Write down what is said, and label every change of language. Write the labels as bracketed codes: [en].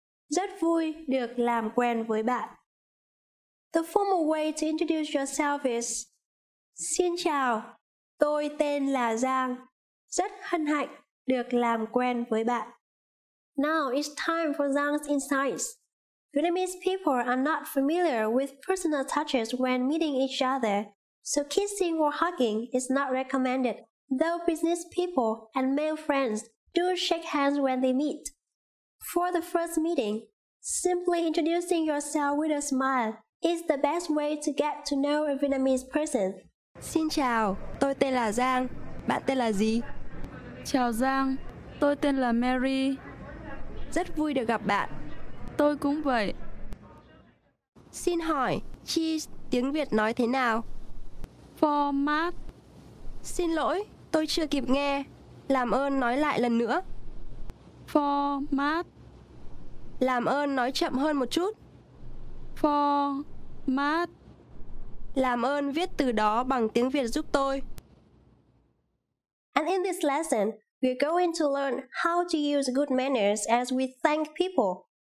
[vi] Rất vui được làm quen với bạn. [en] The formal way to introduce yourself is [vi] Xin chào, tôi tên là Giang. Rất hân hạnh được làm quen với bạn. [en] Now it's time for Giang's insights. Vietnamese people are not familiar with personal touches when meeting each other, so kissing or hugging is not recommended, though business people and male friends do shake hands when they meet. For the first meeting, simply introducing yourself with a smile is the best way to get to know a Vietnamese person. [vi] Xin chào, tôi tên là Giang. Bạn tên là gì? Chào Giang, tôi tên là Mary. Rất vui được gặp bạn. Tôi cũng vậy. Xin hỏi, cheese tiếng Việt nói thế nào? Format. Xin lỗi, tôi chưa kịp nghe. Làm ơn nói lại lần nữa. Format. Làm ơn nói chậm hơn một chút. Format. Làm ơn viết từ đó bằng tiếng Việt giúp tôi. [en] And in this lesson, we're going to learn how to use good manners as we thank people.